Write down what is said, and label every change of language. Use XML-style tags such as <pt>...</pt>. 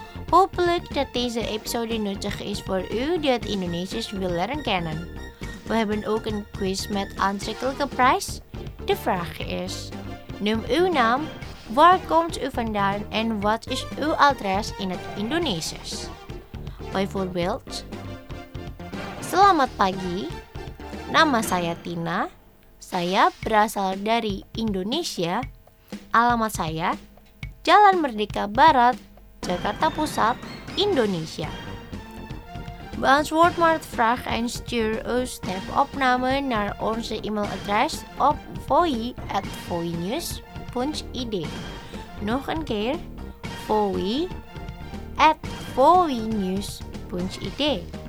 <nl>Hopelijk dat deze episode nuttig is voor u die het Indonesisch wil leren kennen. We hebben ook een quiz met aantrekkelijke prijs. De vraag is, noem uw naam, waar komt u vandaan en wat is uw adres in het Indonesisch? Bijvoorbeeld,</nl> <id>selamat pagi, nama saya Tina, saya berasal dari Indonesia, alamat saya Jalan Merdeka Barat, Jakarta Pusat, Indonesia.</id> <nl>Beantwoord maar de vraag en stuur uw stemopname naar onze e-mailadres op voi@voinews.id. Nog een keer, voi@voinews.id.</nl>